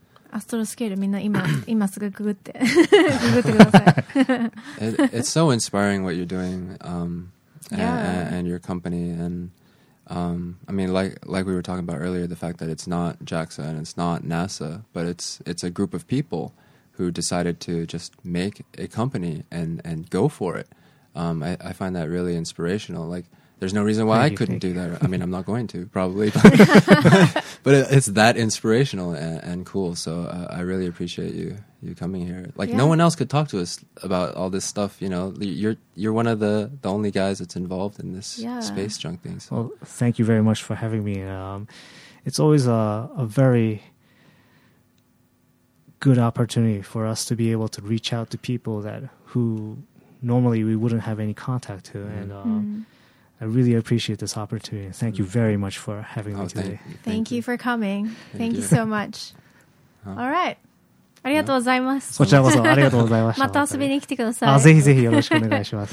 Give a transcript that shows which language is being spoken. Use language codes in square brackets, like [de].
[ja] アストロスケールみんな 今すぐググってググってください [en] It's so inspiring what you're doing and your company andI mean, like we were talking about earlier, the fact that it's not JAXA and it's not NASA, but it's a group of people who decided to just make a company and go for it. I find that really inspirational. Like, there's no reason why I couldn't do that. I mean, I'm not going to, probably. But it's that inspirational and cool. So I really appreciate you coming here. Like, no one else could talk to us about all this stuff, you know. You're one of the only guys that's involved in this space junk thing. So. Well, thank you very much for having me. It's always a very good opportunity for us to be able to reach out to people who normally we wouldn't have any contact to. And I really appreciate this opportunity. Thank you very much for having me today. Thank you for coming. Thank you so much. All right. [ja] ありがとうございます。こちらこそありがとうございました。また遊びに来てください。ぜひぜひよろしくお願いします。